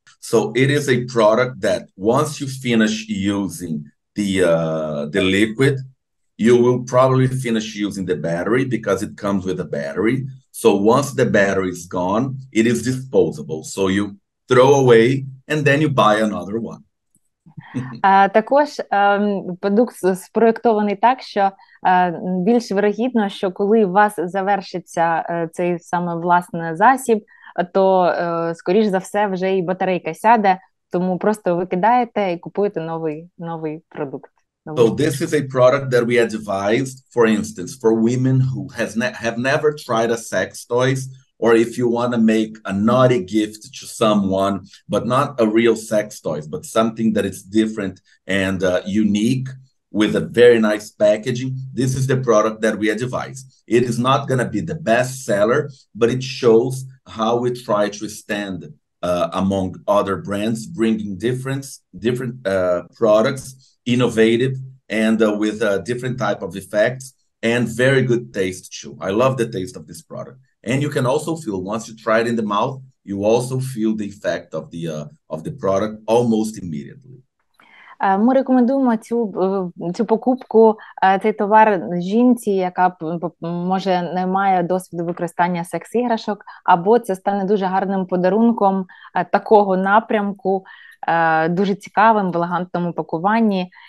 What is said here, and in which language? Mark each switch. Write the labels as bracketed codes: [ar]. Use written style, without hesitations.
[en] So it is a product that once you finish using the liquid, you will probably finish using the battery because it comes with a battery. So once the battery is gone, it is disposable. So you throw away and then you buy another one. [uk] Також продукт спроєктований так, що більш вірогідно, що коли у вас завершиться цей саме власне засіб, то скоріш за все вже і батарейка сяде, тому просто викидаєте і купуєте новий продукт. [en] So this is a product that we advised, for instance, for women who have never tried a sex toys, or if you want to make a naughty gift to someone, but not a real sex toys, but something that is different and unique with a very nice packaging, this is the product that we advise. It is not going to be the best seller, but it shows how we try to stand among other brands, bringing different products, innovative, and with a different type of effects, and very good taste too. I love the taste of this product. And you can also feel, once you try it in the mouth, you also feel the effect of the product almost immediately. [uk] Ми рекомендуємо цю покупку, цей товар жінці, яка може не має досвіду використання секс-іграшок, або це стане дуже гарним подарунком такого напрямку, дуже цікавим в елегантному пакуванні.